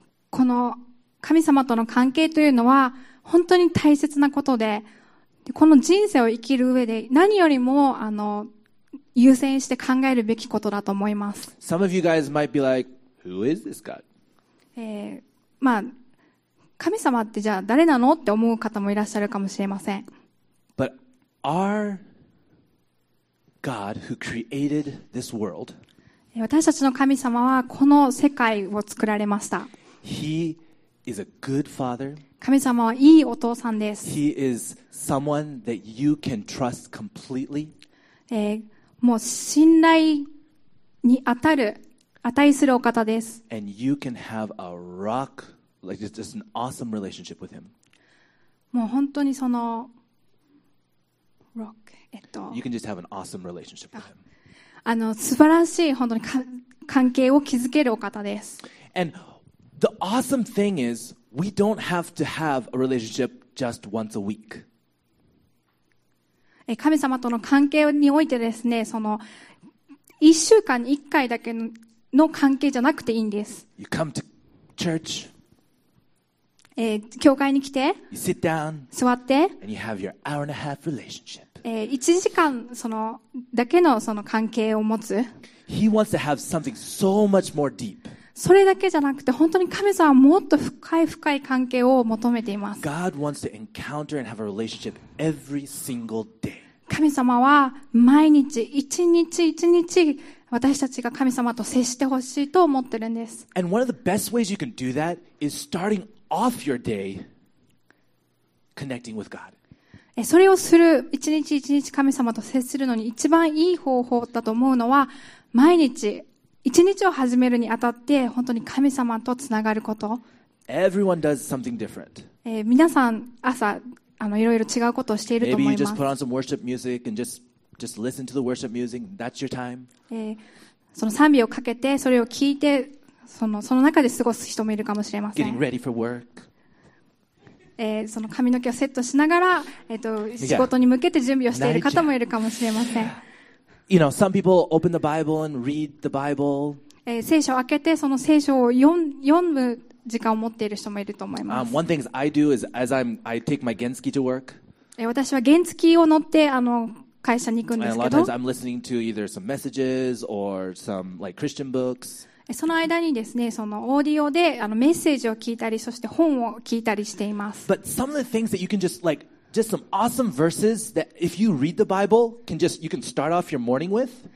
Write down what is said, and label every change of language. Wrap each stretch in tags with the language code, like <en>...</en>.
<ja>この神様との関係というのは本当に大切なことで、この人生を生きる上で何よりもあの優先して考えるべきことだと思います。</ja> <en>Some of you guys might be like,Who is this God?</en> <ja>まあ、神様ってじゃあ誰なのって思う方もいらっしゃるかもしれません。</ja> <en>But our God who created this world,</en> <ja>私たちの神様はこの世界を作られました。</ja> <en>He is a good father.</en> <ja>神様はいいお父さんです。</ja> <en>He is someone that you can trust completely.</en> <ja>もう信頼に当たる値するお方です。</ja> <en>And you can have a rock, like just an awesome relationship with him.</en> <ja>もう本当にその rock,</ja> <en>You can just have an awesome relationship with him.</en> <ja>あの素晴らしい本当に関係を築けるお方です。</ja> <en>And the awesome thing is, we don't have to have a relationship just once a week.</en> <ja>神様との関係においてですね、その一週間に一回だけのの関係じゃなくていいんです。</ja> <en>You come to church,</en> <ja>教会に来て、</ja> <en>you sit down,</en> <ja>座って、</ja> <en>and you have your hour and a half relationship.</en> <ja>1時間そのだけのその関係を持つ。</ja> <en>He wants to have something so much more deep.</en> <ja>それだけじゃなくて、本当に神様はもっと深い深い関係を求めています。</ja> <en>God wants to encounter and have a relationship every single day.</en> <ja>神様は毎日一日一日私たちが神様と接してほしいと思ってるんです。</ja> <en>And one of the best ways you can do that is starting off your day connecting with God.</en> <ja>それをする、一日一日神様と接するのに一番いい方法だと思うのは、毎日、一日を始めるにあたって本当に神様とつながること。</ja> <en>Everyone does something different.</en> <ja>皆さん朝あのいろいろ違うことをしていると思います。</ja> <en>Maybe you just put on some worship music and just listen to the worship music. That's your time.</en> <ja>その賛美をかけてそれを聞いてその中で過ごす人もいるかもしれません。</ja> <en>Getting ready for work.</en> <ja>その髪の毛をセットしながら仕事に向けて準備をしている方もいるかもしれません。</ja> <en>You know, some people open the Bible and read the Bible.</en> <ja>聖書を開けてその聖書を読む時間を持っている人もいると思います。</ja> <en>One thing I do is as I take my Genski to work.</en> <ja>私は原付を乗って会社に行くんですけど。</ja> <en>And a lot of times I'm listening to either some messages or some like Christian books.</en> <ja>その間にですね、そのオーディオでメッセージを聞いたり、そして本を聞いたりしています。</ja> <en>But some of the things that you can just like just some awesome verses that if you read the Bible can just you can start off your morning with.</en>